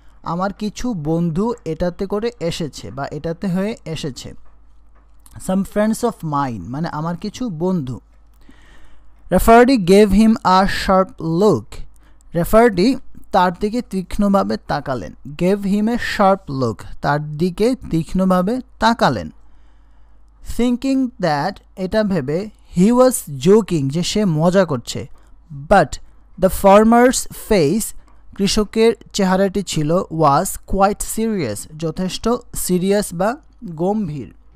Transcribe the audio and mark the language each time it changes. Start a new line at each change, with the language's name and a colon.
Bangla: আমার কিছু বন্ধু এটাতে করে এসেছে বা এটাতে হয়ে এসেছে.
English: Some friends of mine
Bangla: মানে আমার কিছু বন্ধু.
English: Rafferty gave him a sharp look.
Bangla: রেফারডি তার দিকে তীক্ষ্ণভাবে তাকালেন,
English: gave him a sharp look,
Bangla: তার দিকে তীক্ষ্ণভাবে তাকালেন।
English: thinking that
Bangla: এটা ভেবে,
English: he was joking
Bangla: যে সে মজা করছে,
English: but the farmer's face
Bangla: কৃষকের চেহারাটি ছিল
English: was quite serious,
Bangla: যথেষ্ট সিরিয়াস বা গম্ভীর।